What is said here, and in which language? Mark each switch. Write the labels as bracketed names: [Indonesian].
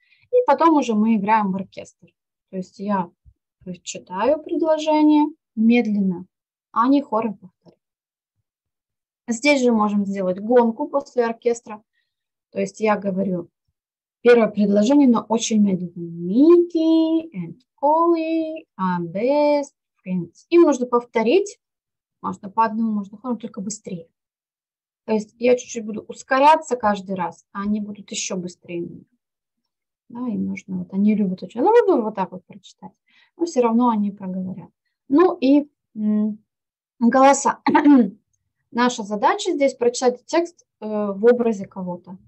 [Russian] И потом уже мы играем в оркестр. То есть я читаю предложение медленно, а они хором повторяют. Здесь же можем сделать гонку после оркестра. То есть я говорю первое предложение, но очень медленно. [English] Mickey and Polly are best friends. [Russian] Им нужно повторить. Можно по одному, можно хором, только быстрее. То есть я чуть-чуть буду ускоряться каждый раз, а они будут еще быстрее. Да, им нужно, вот они любят очень. Ну, буду вот так вот прочитать. Но все равно они проговорят. Ну и голоса. Наша задача здесь прочитать текст в образе кого-то.